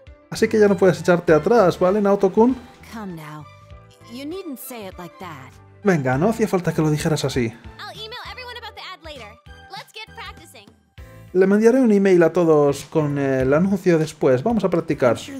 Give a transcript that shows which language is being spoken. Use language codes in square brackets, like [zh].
[es] Así que ya no puedes echarte atrás, ¿vale, Naoto-kun? [en] Come now. You needn't say it like that. [es] Venga, no hacía falta que lo dijeras así. [en] I'll email everyone about the ad later. Let's get practicing. [es] Le mandaré un email a todos con el anuncio después. Vamos a practicar.